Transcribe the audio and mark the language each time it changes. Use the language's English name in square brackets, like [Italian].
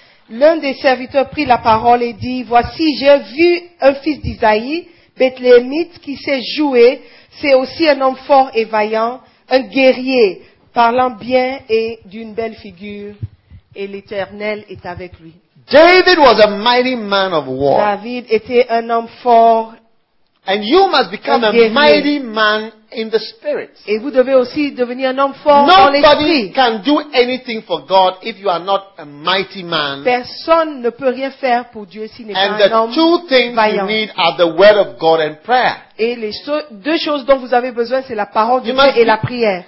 [French] L'un des serviteurs prit la parole et dit, « Voici, j'ai vu un fils d'Isaïe, Bethléemite, qui s'est joué. C'est aussi un homme fort et vaillant, un guerrier, parlant bien et d'une belle figure, et l'Éternel est avec lui. » [English] David was a mighty man of war. [French] David était un homme fort. [English] And you must become a mighty man in the spirit. [French] Et vous devez aussi devenir un homme fort dans l'esprit. [English] Nobody can do anything for God if you are not a mighty man. [French] Personne ne peut rien faire pour Dieu s'il n'est pas un homme vaillant. [English] And the two things you need are the word of God and prayer. [French] Et les deux choses dont vous avez besoin, c'est la parole de Dieu et la prière.